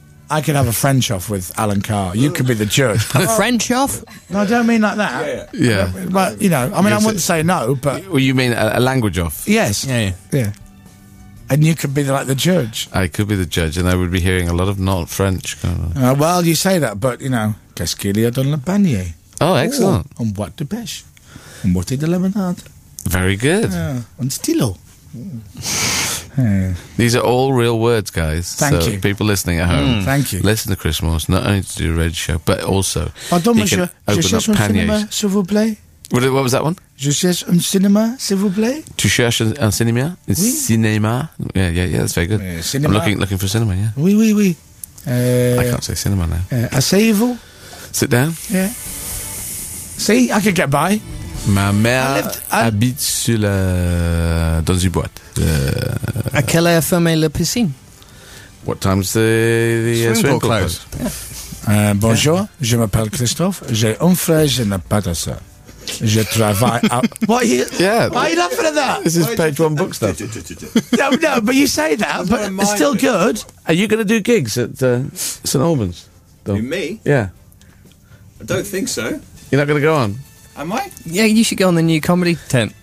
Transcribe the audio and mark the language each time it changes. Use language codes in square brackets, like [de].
[en] I could have a French off with Alan Carr. You could be the judge. A French off? No, I don't mean like that. Yeah. But, you know, I mean, yes, I wouldn't say no, but... Well, you mean a language off? Yes. Yeah. And you could be the judge. I could be the judge, and I would be hearing a lot of not French. Kind of. Well, you say that, but, you know, [fr] qu'est-ce qu'il y a dans le panier? [en] Oh, excellent. Ooh. And what de pêche? And what de lemonade? Very good. And stylo. These are all real words, guys. Thank you. People listening at home. Mm. Thank you. Listen to Chris Morse, not only to do a radio show, but also... [fr] Pardon, monsieur. Je cherche un cinéma, s'il vous plaît. [en] What was that one? [fr] Je cherche un cinéma, s'il vous plaît. Tu cherches un cinéma? Oui. [en] Cinéma? Yeah, that's very good. [fr] Cinéma. [en] I'm looking for cinema, yeah. [fr] Oui. [en] I can't say cinema now. [fr] Asseyez-vous. [en] Sit down. Yeah. See, I could get by. [fr] Ma mère habite sur la... dans une boîte. À quelle heure ferme la piscine? [en] What time's the swimming pool close? Yeah. [fr] Bonjour, je m'appelle Christophe. J'ai un frère, je n'ai pas de soeur. Je travaille à... [en] What are you... Yeah. Why are you laughing at that? This is page one book stuff. No, but you say that, but it's still good. Are you going to do gigs at St. Albans? Me? Yeah. I don't think so. You're not going to go on? Am I? Yeah, you should go on the new comedy tent.